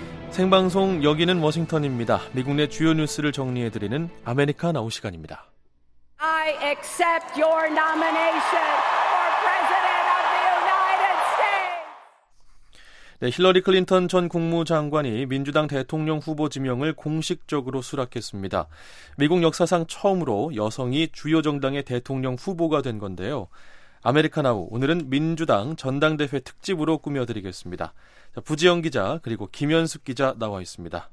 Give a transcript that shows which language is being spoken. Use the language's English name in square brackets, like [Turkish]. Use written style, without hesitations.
[Korean] 생방송 여기는 워싱턴입니다. 미국 내 주요 뉴스를 정리해드리는 아메리카 나우 시간입니다. [English] I accept your nomination for President of the United States. [Korean] 네, 힐러리 클린턴 전 국무장관이 민주당 대통령 후보 지명을 공식적으로 수락했습니다. 미국 역사상 처음으로 여성이 주요 정당의 대통령 후보가 된 건데요. 아메리카 나우, 오늘은 민주당 전당대회 특집으로 꾸며드리겠습니다. 부지영 기자 그리고 김현숙 기자 나와 있습니다.